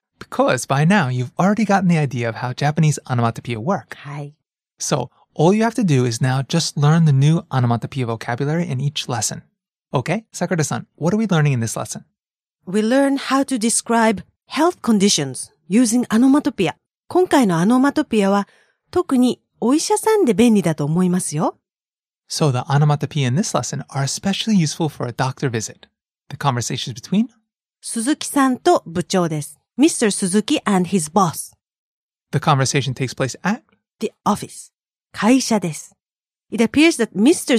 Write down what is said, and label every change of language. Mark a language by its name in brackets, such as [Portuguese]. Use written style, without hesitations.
[English] Because by now, you've already gotten the idea of how Japanese onomatopoeia work. [Japanese] はい。 [English] So, all you have to do is now just learn the new onomatopoeia vocabulary in each lesson. Okay, Sakura-san, what are we learning in this lesson? We learn how to describe health conditions using onomatopoeia. [Japanese] 今回のオノマトペアは特にお医者さんで便利だと思いますよ。 [English] So the onomatopoeia in this lesson are especially useful for a doctor visit. The conversation is between [Japanese] 鈴木さんと部長です。 [English] Mr. Suzuki and his boss. The conversation takes place at the office. [Japanese] 会社です。 [English] It appears that Mr.